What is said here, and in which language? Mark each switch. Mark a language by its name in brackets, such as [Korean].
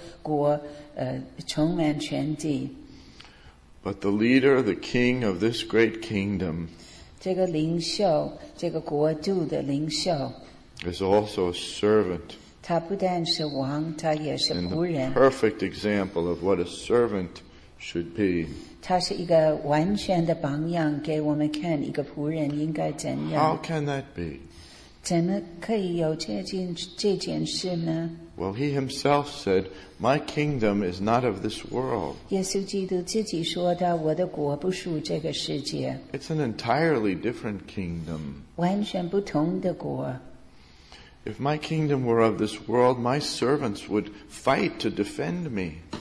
[Chinese] 一切所有在地上的国要变成我主我王的国，充满全地。 [English] But the leader, the king of this great kingdom, [Chinese] 这个领袖，这个国度的领袖, [English] is also a servant. [Chinese] 他不但是王，他也是仆人。 [English] And the perfect example of what a servant should be. [Chinese] 他是一个完全的榜样，给我们看一个仆人应该怎样。 [English] How can that be? [Chinese] 怎么可以有这件事呢? [English] Well, he himself said, My kingdom is not of this world. [Chinese] 耶稣基督自己说的,我的国不属这个世界。 [English] It's an entirely different kingdom. [Chinese] 完全不同的国。 [English] If my kingdom were of this world, my servants would fight to defend me.